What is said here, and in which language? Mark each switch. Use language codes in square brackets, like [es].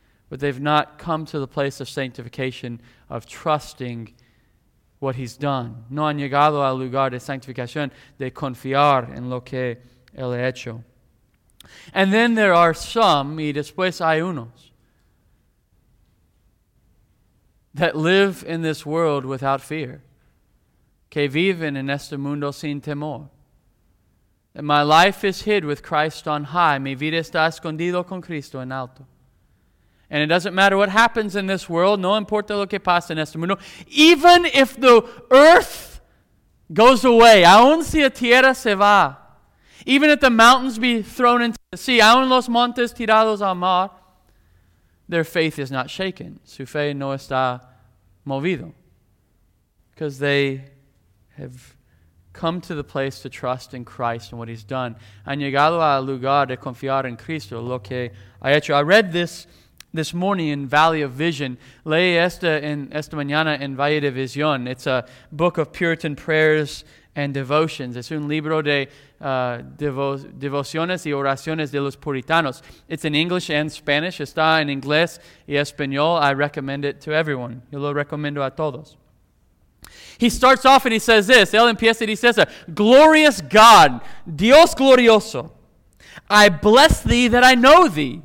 [en] But they've not come to the place of sanctification, of trusting what he's done. [es] No han llegado al lugar de sanctificación, de confiar en lo que él ha hecho. [en] And then there are some, [es] y después hay unos, [en] that live in this world without fear. [es] Que viven en este mundo sin temor. [en] That my life is hid with Christ on high. [es] Mi vida está escondido con Cristo en alto. [en] And it doesn't matter what happens in this world. [es] No importa lo que pasa en este mundo. [en] Even if the earth goes away, [es] aún si la tierra se va, [en] even if the mountains be thrown into the sea, [es] aún los montes tirados al mar, [en] their faith is not shaken. [es] Su fe no está movido. [en] Because they have come to the place to trust in Christ and what he's done. [es] Han llegado al lugar de confiar en Cristo, lo que ha hecho. [en] I read this morning in Valley of Vision. [es] Leí esta mañana en Valle de Vision. [en] It's a book of Puritan prayers and devotions. [es] Es un libro de devociones y oraciones de los puritanos. [en] It's in English and Spanish. [es] Está en inglés y español. [en] I recommend it to everyone. [es] Yo lo recomiendo a todos. [en] He starts off and he says this. [es] Él empieza y dice esto. [en] Glorious God, [es] Dios glorioso, [en] I bless thee that I know thee.